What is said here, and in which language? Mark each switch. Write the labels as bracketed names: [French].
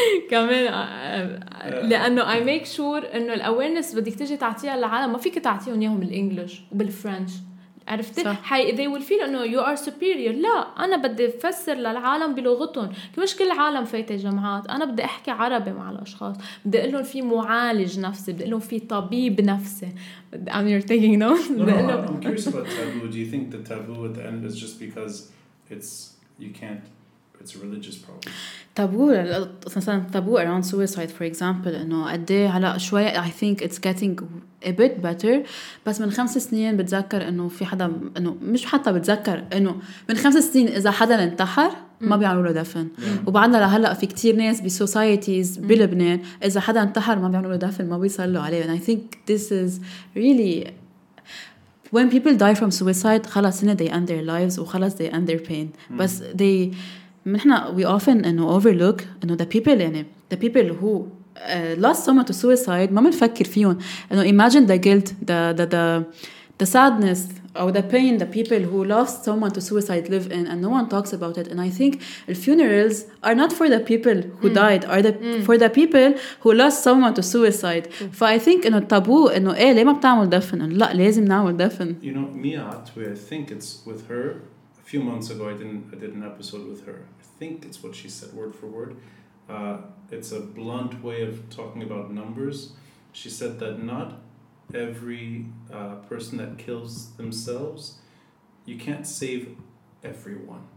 [Arabic] كمان لأنه [English] I make sure [Arabic] إنه الawareness بدك تجي تعطيها للعالم, ما فيك تعطيهم إياهم بالإنجليش وبالفرنش, عرفتي؟ هاي [English] they will feel [Arabic] إنه [English] you are superior. [Arabic] لا, أنا بدي أفسر للعالم بلغتهم, كمش كل العالم فايتة جامعات. أنا بدي أحكي عربي مع الأشخاص, بدي أقول لهم في معالج نفسي, بدي أقول لهم في طبيب نفسي. [English] I'm you're taking notes. No, I'm curious about taboo. Do you think the taboo at the end is just because it's you can't, it's a religious problem? Taboo, مثلاً taboo around suicide, for example, [Arabic] إنه قد إيه هلا شوية [English] I think it's getting a bit better. [Arabic] بس من 5 سنين بتذكر إنه في حدا, إنه مش حتى بتذكر إنه من 5 سنين إذا حدا انتحر ما بيعملوا له دفن. وبعدنا لهلا في كتير ناس بسوسايتيز بلبنان إذا حدا انتحر ما بيعملوا له دفن, ما بيصلوا له عليه. [English] And I think this is really when people die from suicide, [Arabic] خلاص هنا [English] they end their lives [Arabic] وخلاص [English] they end their pain. بس they نحنا we often إنه overlook إنه the people, يعني the people who lost someone to suicide [Arabic] ما منفكر فيهم. [English] إنه imagine the guilt, the sadness or the pain the people who lost someone to suicide live in, and no one talks about it. And I think funerals are not for the people who died, are the for the people who lost someone to suicide. [Arabic] ف [English] I think [Arabic] إنه taboo إنه إيه ليه ما بتعمل دفن, لا لازم نعمل دفن. [English] You know Mia Atwe, I think it's with her. Few months ago, I did an episode with her. I think it's what she said word for word. It's a blunt way of talking about numbers. She said that not every person that kills themselves, you can't save everyone.